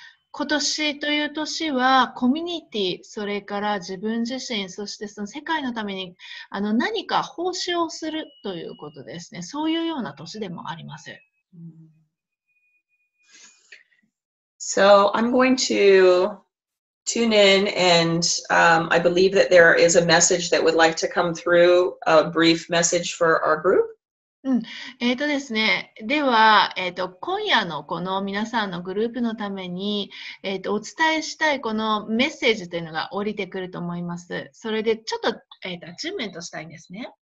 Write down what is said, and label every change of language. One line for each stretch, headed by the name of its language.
Japanese: 今年という年はコミュニティ、それから自分自身、そしてその世界のために何か奉仕をするということですね。そういうような年でもあります。
English: So I'm going to tune in and I believe that there is a message that would like to come through, a brief message for our group.
Japanese: ですね、では、今夜のこの皆さんのグループのために、お伝えしたいこのメッセージというのが降りてくると思います。それでちょっと、アチューメントしたいんですね。